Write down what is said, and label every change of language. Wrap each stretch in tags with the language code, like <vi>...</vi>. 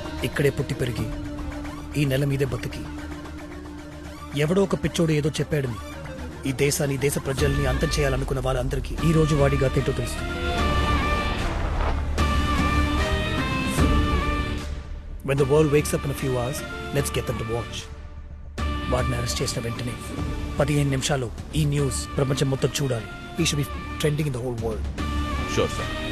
<te>ఇక్కడే పుట్టి పెరిగి ఈ నెల మీదే బతికి ఎవడో ఒక పిచ్చోడు ఏదో చెప్పాడని ఈ దేశాన్ని దేశ ప్రజల్ని అంతం చేయాలనుకున్న వాళ్ళందరికీ ఈ రోజు వాడిగా తేటో తెలుసు.</te> <en>When the world wakes up in a few hours, let's get them to watch.</en> <te>వాడిని అరెస్ట్ చేసిన వెంటనే 15 నిమిషాలు ఈ న్యూస్ ప్రపంచం మొత్తం చూడాలి.</te> <en>ఈ should be trending in the whole world. Sure, sir.</en>